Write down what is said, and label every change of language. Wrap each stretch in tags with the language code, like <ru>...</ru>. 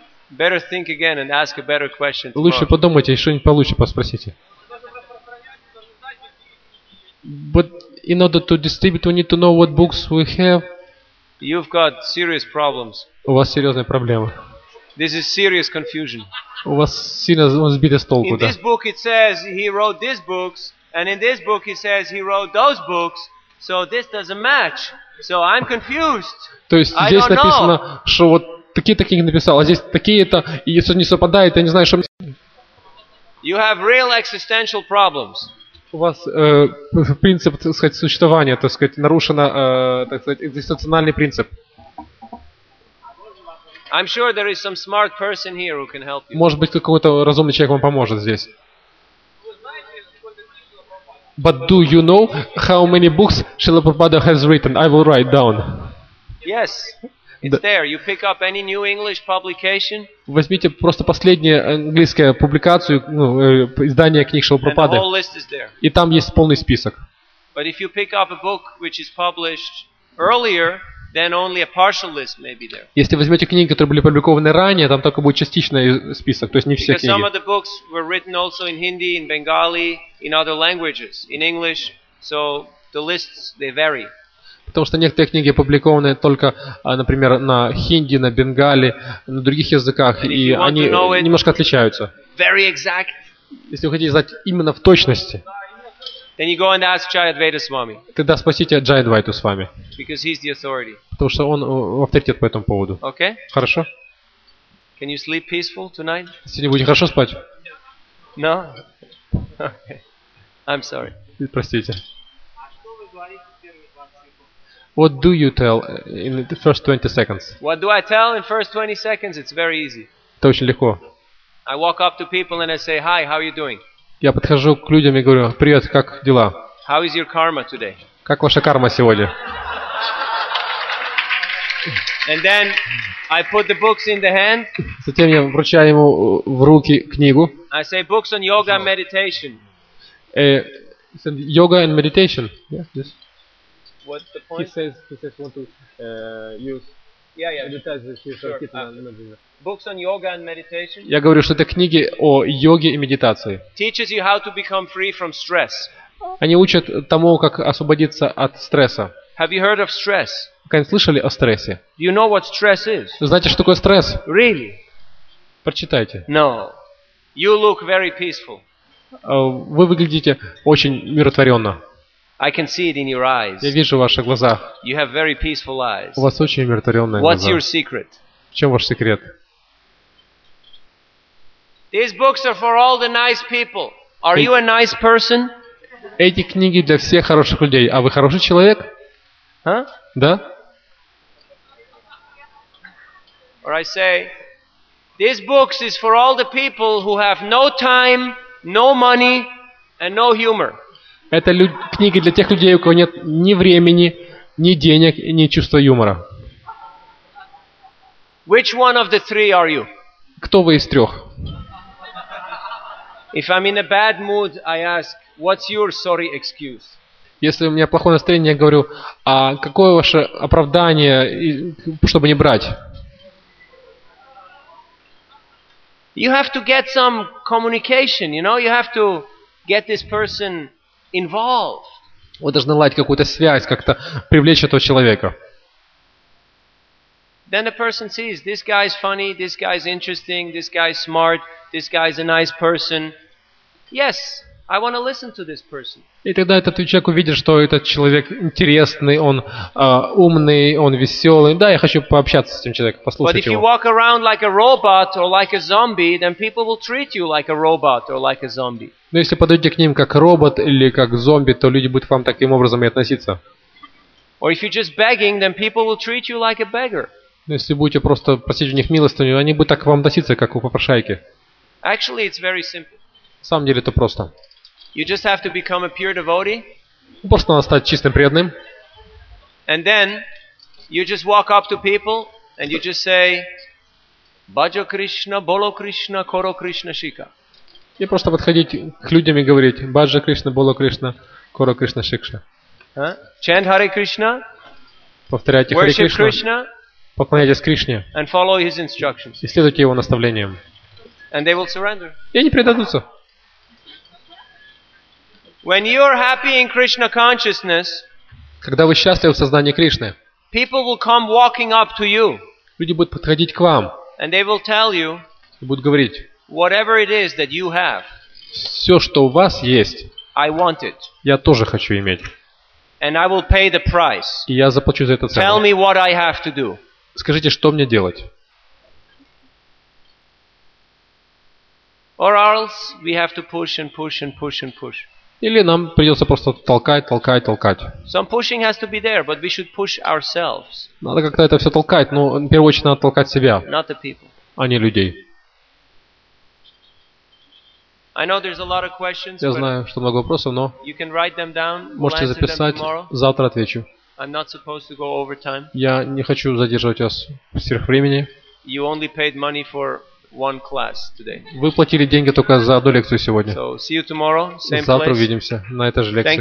<en>Better think again and ask a better question.</en> <ru>Лучше подумайте, что-нибудь получше поспросите.</ru> <en>But in order to distribute, we need to know what books we have. You've got serious problems.</en> <ru>У вас серьезные проблемы.</ru> <en>This is serious confusion.</en> <ru>У вас сильно сбито с толку, да?</ru> <en>In this book it says he wrote these books, and in this book it says he wrote those books. So this doesn't match. So I'm confused.</en> <ru>То есть здесь написано, что вот такие написал, а здесь такие-то, и если не совпадает, я не знаю, что.</ru> <en>You have real existential problems.</en> <ru>У вас принцип, так сказать, существования, так сказать, нарушено, так сказать, экзистенциональный принцип.</ru> <en>I'm sure there is some smart person here who can help you.</en> <ru>Может быть, какой-то разумный человек вам поможет здесь.</ru> <en>But do you know how many books Srila Prabhupada has written? I will write down. Yes, it's there. You pick up any new English publication.</en> <ru>Возьмите просто последнюю английскую публикацию, издание книг Шрилы Прабхупады.</ru> <en>And the whole list is there.</en> <ru>И там есть полный список.</ru> <en>But if you pick up a book which is published earlier, then only a partial list may be there.</en> <ru>Если возьмете книги, которые были опубликованы ранее, там только будет частичный список, то есть не все книги.</ru> <en>Because some of the books were written also in Hindi, in Bengali, in other languages, in English, so the lists they vary.</en> <ru>Потому что некоторые книги опубликованы только, например, на хинди, на бенгали, на других языках, и они немножко отличаются.</ru> <en>Very exact.</en> <ru>Если вы хотите знать именно в точности.</ru> <en>Then you go and ask Jai Advaita Swami.</en> <ru>Тогда спросите Джай Адвайту Свами.</ru> <en>Because he's the authority.</en> <ru>Потому что он авторитет по этому поводу.</ru> <en>Okay.</en> <ru>Хорошо.</ru> <en>Can you sleep peaceful tonight?</en> <ru>Сегодня будете хорошо спать?</ru> <en>No. Okay. I'm sorry.</en> <ru>Простите.</ru> <en>What do you tell in the first 20 seconds? What do I tell in first 20 seconds? It's very easy.</en> <ru>Это очень легко.</ru> <en>I walk up to people and I say, "Hi, how are you doing?"</en> <ru>Я подхожу к людям и говорю: «Привет, как дела?»</ru> <en>How is your karma today?</en> <ru>Как ваша карма сегодня?</ru> <en>And then I put the books in the hand.</en> <ru>Затем я вручаю ему в руки книгу.</ru> <en>I say books on yoga and meditation. Yoga and meditation. Yeah, yes. What's the point? He says want to Sure. Books on yoga and meditation.</en> <ru>Я говорю, что это книги о йоге и медитации.</ru> <en>Teaches you how to become free from stress.</en> <ru>Они учат тому, как освободиться от стресса.</ru> <en>Have you heard of stress?</en> <ru>Вы слышали о стрессе?</ru> <en>You know what stress is?</en> <ru>Знаете, что такое стресс?</ru> <en>Really?</en> <ru>Прочитайте.</ru> <en>No. You look very peaceful.</en> <ru>Вы выглядите очень миротворенно.</ru> <en>I can see it in your eyes.</en> <ru>Я вижу ваши глаза.</ru> <en>You have very peaceful eyes.</en> <ru>У вас очень умиротворенные глаза.</ru> <en>What's your secret?</en> <ru>В чем ваш секрет?</ru> <en>These books are for all the nice people. Are you a nice person?</en> <ru>Эти книги для всех хороших людей. А вы хороший человек?</ru> <en>Huh?</en> <ru>Да?</ru> <en>Or I say, these books is for all the people who have no time, no money, and no humor.</en> <ru>Это книги для тех людей, у кого нет ни времени, ни денег, ни чувства юмора.</ru> <en>Which one of the three are you?</en> <ru>Кто вы из трех?</ru> <en>If I'm in a bad mood, I ask, what's your sorry excuse?</en> <ru>Если у меня плохое настроение, я говорю, а какое ваше оправдание, чтобы не брать?</ru> <en>You have to get some communication, you know, you have to get this person involved.</en> <ru>Вы должны наладить какую-то связь, как-то привлечь этого человека.</ru> <en>Then the person sees this guy is funny, this guy is interesting, this guy is smart, this guy is a nice person. Yes, I want to listen to this person.</en> <ru>И тогда этот человек увидит, что этот человек интересный, он умный, он веселый. Да, я хочу пообщаться с этим человеком, послушать его.</ru> <en>But if you walk around like a robot or like a zombie, then people will treat you like a robot or like a zombie.</en> <ru>Но если подойдете к ним как робот или как зомби, то люди будут к вам таким образом и относиться.</ru> <en>Or if you're just begging, then people will treat you like a beggar.</en> <ru>Если будете просто просить у них милостыню, они будут так к вам относиться, как у попрошайки.</ru> <en>Actually, it's very simple.</en> <ru>На самом деле это просто.</ru> <en>You just have to become a pure devotee.</en> <ru>Просто надо стать чистым преданным.</ru> <en>And then you just walk up to people and you just say,</en> <bn>Bajo Krishna, Bolo Krishna, Koro Krishna Shika.</bn> <ru>И просто подходить к людям и говорить</ru> <bn>Баджа Кришна, Боло Кришна, Коро Кришна Шикша.</bn> <en>Chant Hare Krishna.</en> <ru>Повторяйте Hare Krishna. Поклоняйтесь Кришне.</ru> <en>And follow his instructions.</en> <ru>И следуйте его наставлениям.</ru> <en>And they will surrender.</en> <ru>И они предадутся.</ru> <en>When you are happy in Krishna consciousness,</en> <ru>когда вы счастливы в сознании Кришны,</ru> <en>people will come walking up to you.</en> <ru>Люди будут подходить к вам.</ru> <en>And they will tell you.</en> <ru>И будут говорить.</ru> <en>Whatever it is that you have.</en> <ru>Всё, что у вас есть.</ru> <en>I want it.</en> <ru>Я тоже хочу иметь.</ru> <en>And I will pay the price.</en> <ru>И я заплачу за это цену.</ru> <en>Tell me what I have to do.</en> <ru>Скажите, что мне делать?</ru> <en>Or else we have to push and push and push and push.</en> <ru>Или нам придётся просто толкать.</ru> <en>Some pushing has to be there, but we should push ourselves.</en> <ru>Надо как-то это всё толкать, но в первую очередь надо толкать себя.</ru> <en>Not the people.</en> <ru>А не людей.</ru> <en>I know there's a lot of questions.</en> <ru>Я знаю, что много вопросов, но</ru> <en>you can write them down.</en> <ru>Можете записать, завтра отвечу.</ru> <en>I'm not supposed to go over time.</en> <ru>Я не хочу задерживать вас сверх времени.</ru> <en>You only paid money for one class today.</en> <ru>Вы платили деньги только за одну лекцию сегодня.</ru> <en>So, see you tomorrow, same place.</en> <ru>Завтра увидимся на этой же лекции.</ru>